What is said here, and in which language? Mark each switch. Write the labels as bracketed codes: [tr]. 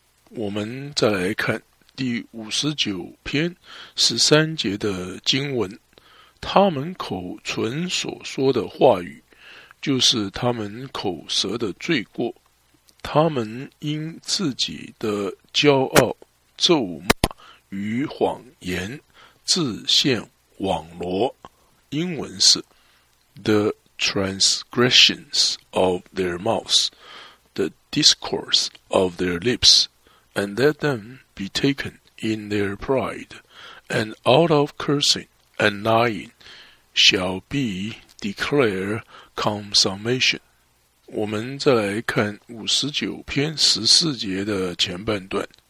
[zh] 我们再来看第59篇13节的经文，他们口唇所说的话语，就是他们口舌的罪过，他们因自己的骄傲、咒骂与谎言自陷网罗。英文是 [en] the transgressions of their mouths, the discourse of their lips, and let them be taken in their pride, and out of cursing and lying shall be declared consummation. [zh] 我们再来看五十九篇十四节的前半段。